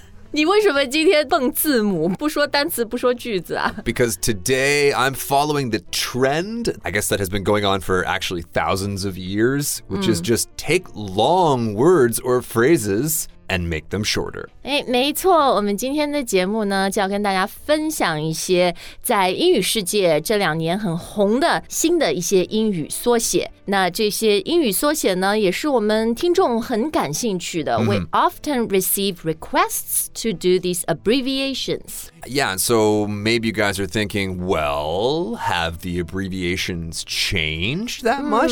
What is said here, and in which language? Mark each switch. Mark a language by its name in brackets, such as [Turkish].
[Chinese] 你为什么今天蹦字母，不说单词，不说句子啊？ [English] Because today I'm following the trend, I guess that has been going on for actually thousands of years, which is just take long words or phrasesand make them shorter. [Chinese] 诶，没错，我们今天的节目呢，就要跟大家分享一些在英语世界这两年很红的新的一些英语缩写。那这些英语缩写呢，也是我们听众很感兴趣的。 [English] Mm-hmm. We often receive requests to do these abbreviations. Yeah, so maybe you guys are thinking, well, have the abbreviations changed that much?